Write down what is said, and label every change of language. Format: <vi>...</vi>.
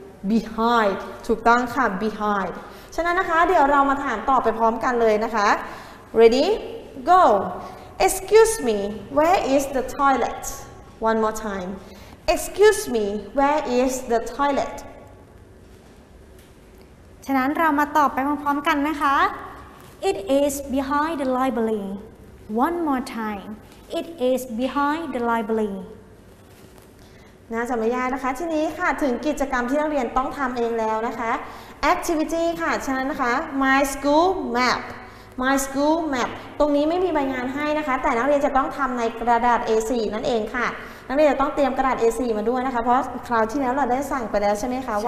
<en>behind</en> <th>ถูกต้องค่ะ</th> <en>behind ฉะนั้นนะคะเดี๋ยวเรามาถามตอบไปพร้อมกันเลยนะคะ ready go excuse me where is the toilet one more time excuse me where is the toilet</en> <th>ฉะนั้นเรามาตอบไปพร้อมกันนะคะ</th> <en>it is behind the libraryOne more time. It is behind the library.</en> <th>น่าจะไม่ยากนะคะทีนี้ค่ะถึงกิจกรรมที่นักเรียนต้องทำเองแล้วนะคะ Activity ค่ะฉะนั้นนะคะ My school map. My school map. ตรงนี้ไม่มีใบงานให้นะคะแต่นักเรียนจะต้องทำในกระดาษ A4 นั่นเองค่ะนักเรียนจะต้องเตรียมกระดาษ A4 มาด้วยนะคะเพราะคราวที่แล้วเราได้สั่งไปแล้วใช่ไหมคะว</th>